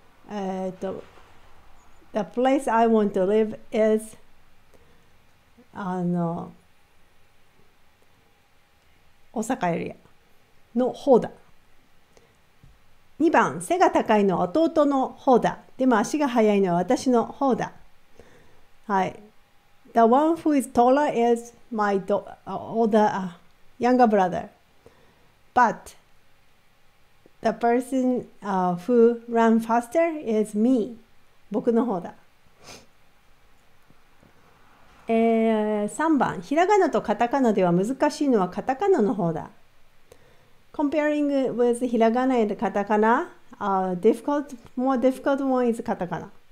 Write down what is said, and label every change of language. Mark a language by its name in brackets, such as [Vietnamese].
[English] The place I want to live is [Japanese] 大阪エリアの方だ。 2番、背が高いのは弟の方だ。でも足が速いのは私の方だ。はい。 [English] The one who is taller is my younger brother. But the person who ran faster is me. [Japanese] 僕の方だ。 3番、ひらがなとカタカナでは難しいのはカタカナの方だ。 [English] Comparing with [Japanese] ひらがなやカタカナ、 [English] more difficult one is カタカナ。